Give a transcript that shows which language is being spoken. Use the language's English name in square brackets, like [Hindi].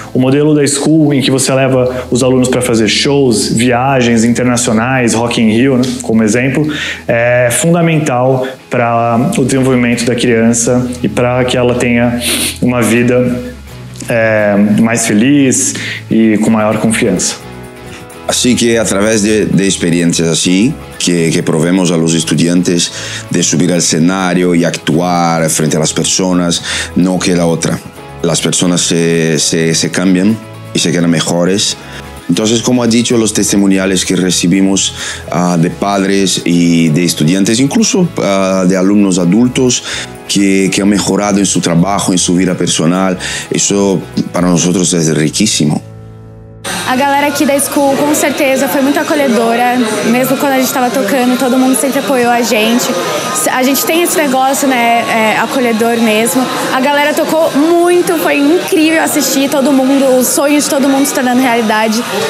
[Portuguese] O modelo da School, em que você leva os alunos para fazer shows, viagens internacionais, Rock in Rio, né, como exemplo, é fundamental para o desenvolvimento da criança e para que ela tenha uma vida mais feliz e com maior confiança. [Spanish] Así que a través de experiencias así que probemos a los estudiantes de subir al escenario y actuar frente a las personas, no queda otra. Las personas se cambian y se quedan mejores. Entonces, como ha dicho, los testimoniales que recibimos de padres y de estudiantes, incluso de alumnos adultos, que han mejorado en su trabajo, en su vida personal, eso para nosotros es riquísimo. [Portuguese] A galera aqui da School, com certeza, foi muito acolhedora. Mesmo quando a gente estava tocando, todo mundo sempre apoiou a gente. A gente tem esse negócio, né, acolhedor mesmo. A galera tocou muito, foi incrível assistir todo mundo, os sonhos de todo mundo se tornando realidade.